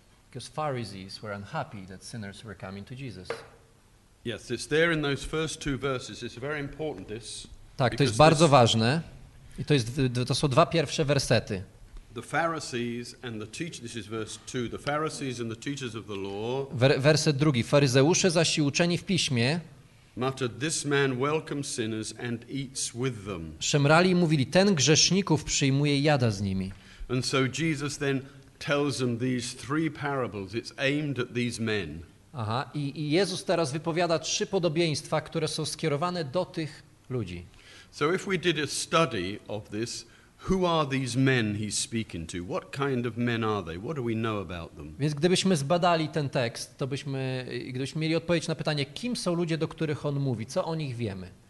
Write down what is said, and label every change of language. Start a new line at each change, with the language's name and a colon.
English: Because Pharisees were unhappy that sinners were coming to Jesus. Yes, it's there in those first two verses. It's very important this.
Polish: Tak, to jest bardzo ważne. I to jest to są dwa pierwsze wersety.
English: The Pharisees and the teachers, this is verse 2. The Pharisees and the teachers of the law.
Polish: Werset drugi. Faryzeusze zaś i uczeni w piśmie
English: muttered, "This man welcomes sinners and eats with them."
Polish: Szemrali i mówili, ten grzeszników przyjmuje i jada z nimi.
English: And so Jesus then tells them these three parables. It's aimed at these men.
Polish: Aha, i Jezus teraz wypowiada trzy podobieństwa, które są skierowane do tych ludzi.
English: So if we did a study of this, who are these men he's speaking to? What kind of men are they? What do we know about them?
Polish: Więc gdybyśmy zbadali ten tekst, to byśmy, gdybyśmy mieli odpowiedź na pytanie, kim są ludzie, do których on mówi, co o nich wiemy?